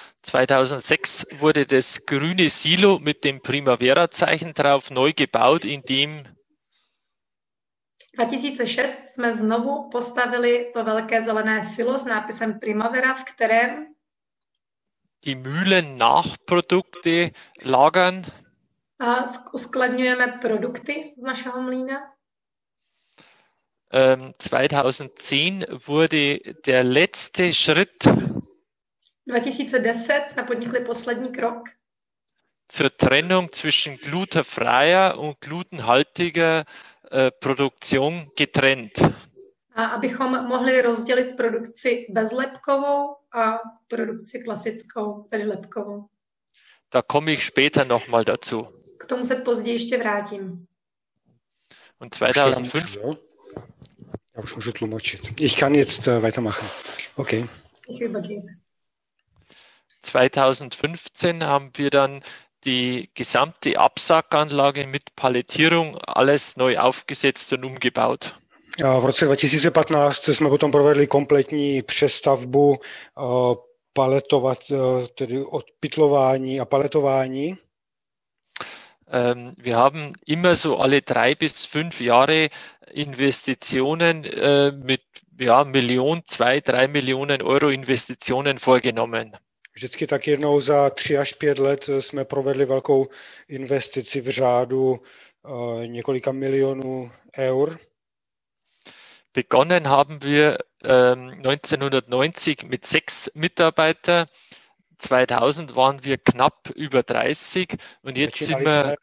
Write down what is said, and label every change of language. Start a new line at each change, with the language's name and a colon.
German: 2006 wurde das grüne Silo mit dem Primavera-Zeichen drauf neu gebaut, in dem
Czech: 2006 jsme znovu postavili to velké zelené silo s nápisem Primavera, v kterém
German: die Mühlen Nachprodukte lagern.
Czech: A uskladňujeme produkty z našeho mlýna.
German: 2010 wurde der letzte Schritt
Czech: 2010 jsme podnikli poslední krok
German: zur Trennung zwischen glutenfreier und glutenhaltiger Produktion getrennt.
Czech: A abychom mohli rozdělit produkci bezlepkovou a produkci klasickou, tedy lepkovou.
German: Da komme ich später nochmal dazu.
Czech: K tomu se později ještě vrátím.
German: Und 2005... Ja, ich muss
Polish: tłumaczyć.
German: Ich kann jetzt weitermachen. Okay. Ich übergebe. 2015 haben wir dann die gesamte Absackanlage mit Palettierung alles neu aufgesetzt und umgebaut.
Czech: Ja, v roce 2015 jsme potom provedli kompletní přestavbu paletovat tedy odpytlování a paletování.
German: Wir haben immer so alle 3 bis 5 Jahre Investitionen mit ja, 1-3 Millionen Euro Investitionen vorgenommen.
Czech: Vždycky tak jednou za 3 až 5 let jsme provedli velkou investici v řádu několika milionů eur.
German: Begonnen haben wir 1990 mit 6 Mitarbeiter. 2000 waren wir knapp über 30 und jetzt sind wir